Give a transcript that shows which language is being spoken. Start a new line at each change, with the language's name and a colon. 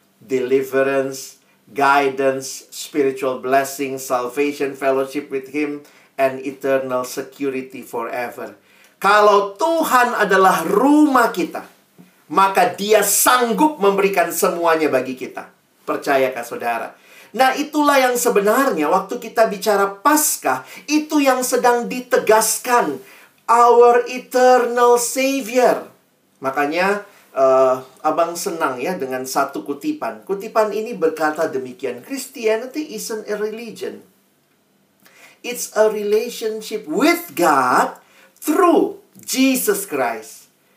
English: deliverance, guidance, spiritual blessing, salvation, fellowship with Him, and eternal security forever.
Indonesian: Kalau Tuhan adalah rumah kita, maka Dia sanggup memberikan semuanya bagi kita. Percayakah saudara? Nah, itulah yang sebenarnya waktu kita bicara Paskah, itu yang sedang ditegaskan.
English: Our eternal Savior.
Indonesian: Makanya, abang senang ya dengan satu kutipan. Kutipan ini berkata demikian,
English: Christianity isn't a religion. It's a relationship with God through Jesus Christ.